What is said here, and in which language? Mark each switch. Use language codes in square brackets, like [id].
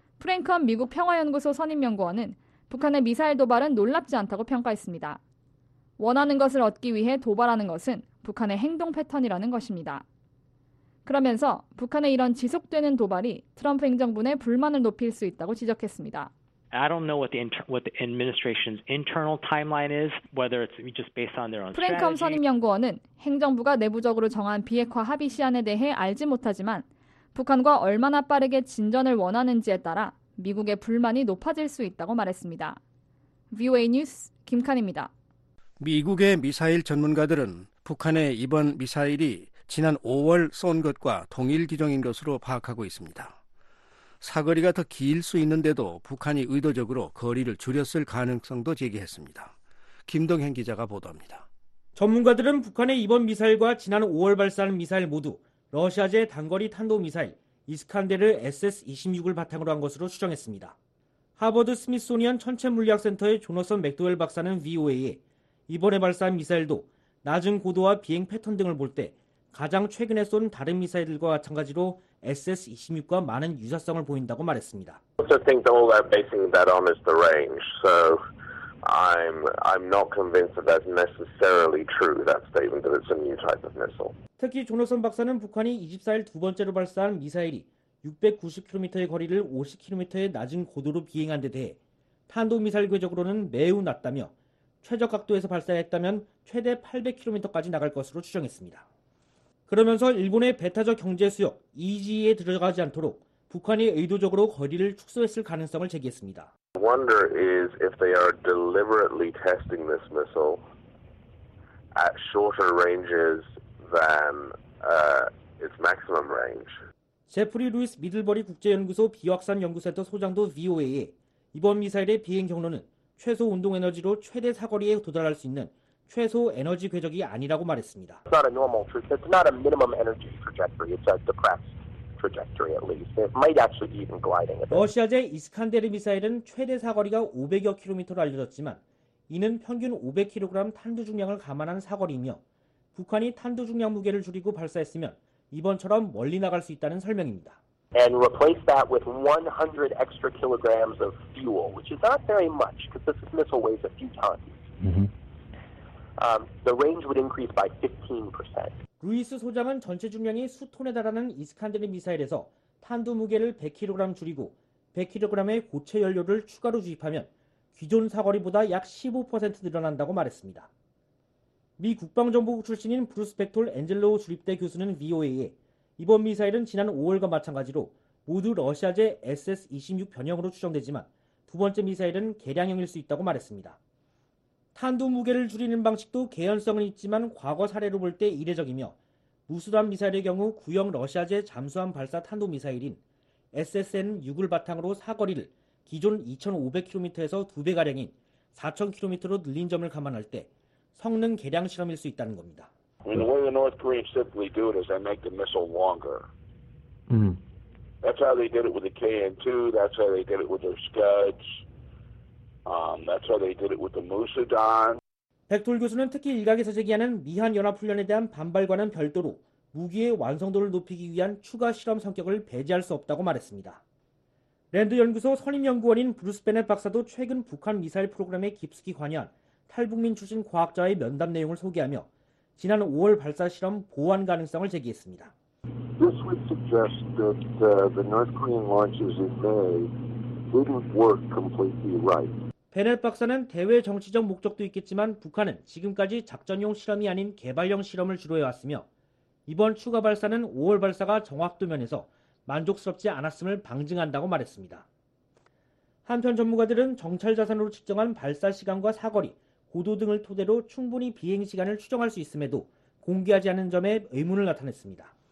[ko] 프랭크헌 미국 평화연구소 선임연구원은 북한의 미사일 도발은 놀랍지 않다고 평가했습니다. 원하는 것을 얻기 위해 도발하는 것은 북한의 행동 패턴이라는 것입니다. 그러면서 북한의 이런 지속되는 도발이 트럼프 행정부 내 불만을 높일 수 있다고 지적했습니다. [en] I don't know what the administration's internal timeline is, whether it's just based on their own. [ko] 프랭크헌 선임연구원은 행정부가 내부적으로 정한 비핵화 합의 시안에 대해 알지 못하지만 북한과 얼마나 빠르게 진전을 원하는지에 따라 미국의 불만이 높아질 수 있다고 말했습니다. VOA 뉴스 김칸입니다. 미국의 미사일 전문가들은 북한의 이번 미사일이 지난 5월 쏜 것과 동일 기종인 것으로 파악하고 있습니다. 사거리가 더 길 수 있는데도 북한이 의도적으로 거리를 줄였을 가능성도 제기했습니다. 김동현 기자가 보도합니다. 전문가들은 북한의 이번 미사일과 지난 5월 발사한 미사일 모두 러시아제 단거리 탄도미사일 이스칸데르 SS-26을 바탕으로 한 것으로 추정했습니다. 하버드 스미소니언 천체물리학센터의 조너선 맥도웰 박사는 VOA에 이번에 발사한 미사일도 낮은 고도와 비행 패턴 등을 볼 때 가장 최근에 쏜 다른 미사일들과 마찬가지로 SS-26과 많은 유사성을 보인다고 말했습니다. [en] I think all they're basing that on is the range. So I'm not convinced that that's necessarily true, that statement that it's a new type of missile. [ko] 특히 조노선 박사는 북한이 24일 두 번째로 발사한 미사일이 690km의 거리를 50km의 낮은 고도로 비행한 데 대해 탄도미사일 궤적으로는 매우 낮다며 최적 각도에서 발사했다면 최대 800km까지 나갈 것으로 추정했습니다. 그러면서 일본의 배타적 경제 수역 EG에 들어가지 않도록 북한이 의도적으로 거리를 축소했을 가능성을 제기했습니다. [en] wonder is if they are deliberately testing this missile at shorter ranges than its maximum range. [ko] 제프리 루이스 미들버리 국제연구소 비확산 연구센터 소장도 VOA에 이번 미사일의 비행 경로는 최소 운동 에너지로 최대 사거리에 도달할 수 있는 최소 에너지 궤적이 아니라고 말했습니다. [en] It's not a normal trajectory. It's not a minimum energy trajectory. It's a depressed trajectory at least. It might actually even gliding. [ko] 러시아제 이스칸데르 미사일은 최대 사거리가 500여 킬로미터로 알려졌지만 이는 평균 500kg 탄두 중량을 감안한 사거리이며 북한이 탄두 중량 무게를 줄이고 발사했으면 이번처럼 멀리 나갈 수 있다는 설명입니다. [en] And replace that with 100 extra kilograms of fuel, which is not very much because this missile weighs a few tons. The range would increase by 15%. [ko] 루이스 소장은 전체 중량이 수톤에 달하는 이스칸데르 미사일에서 탄두 무게를 100kg 줄이고 100kg의 고체 연료를 추가로 주입하면 기존 사거리보다 약 15% 늘어난다고 말했습니다. 미 국방정보부 출신인 브루스 벡톨 엔젤로우 주립대 교수는 VOA에 이번 미사일은 지난 5월과 마찬가지로 모두 러시아제 SS-26 변형으로 추정되지만 두 번째 미사일은 개량형일 수 있다고 말했습니다. 탄두 무게를 줄이는 방식도 개연성은 있지만 과거 사례로 볼 때 이례적이며 무수단 미사일의 경우 구형 러시아제 잠수함 발사 탄도 미사일인 SSN-6을 바탕으로 사거리를 기존 2,500km에서 2배가량인 4,000km로 늘린 점을 감안할 때 성능 개량 실험일 수 있다는 겁니다. [en] And the way the North Koreans simply do it is they make the missile longer. That's how they did it with the KN-2. That's how they did it with their Scuds. That's how they did it with the Musudan. [ko] 백돌 교수는 특히 일각에서 제기하는 미한 연합 훈련에 대한 반발과는 별도로 무기의 완성도를 높이기 위한 추가 실험 성격을 배제할 수 없다고 말했습니다. 랜드 연구소 선임 연구원인 브루스 베넷 박사도 최근 북한 미사일 프로그램에 깊숙이 관여한 탈북민 출신 과학자의 면담 내용을 소개하며 지난 5월 발사 실험 보완 가능성을 제기했습니다. [en] This would suggest that the North Korean launches in May wouldn't work completely right. [ko] 베넷 박사는 대외 정치적 목적도 있겠지만 북한은 지금까지 작전용 실험이 아닌 개발용 실험을 주로 해왔으며 이번 추가 발사는 5월 발사가 정확도 면에서 만족스럽지 않았음을 방증한다고 말했습니다. 한편 전문가들은 정찰 자산으로 측정한 발사 시간과 사거리, 고도 등을 토대로 충분히 비행 시간을 추정할 수 있음에도 공개하지 않은 점에 의문을 나타냈습니다.